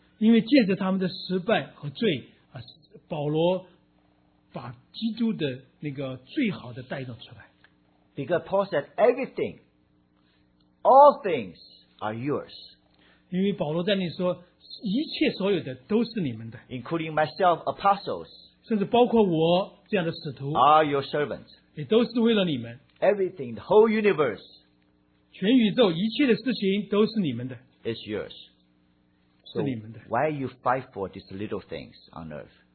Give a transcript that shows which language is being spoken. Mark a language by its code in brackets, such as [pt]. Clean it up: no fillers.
[zh] 因为借着他们的失败和罪，保罗把基督的那个最好的带动出来。 [en] Because Paul said everything, all things are yours. [zh] 因为保罗在那里说，一切所有的都是你们的。 [en] Including myself, apostles. [zh] 甚至包括我这样的使徒。 [en] Are your servants. [zh] 也都是为了你们。 [en] Everything, the whole universe. [zh] 全宇宙一切的事情都是你们的。 [en] It's yours. So why you fight for these little things on earth?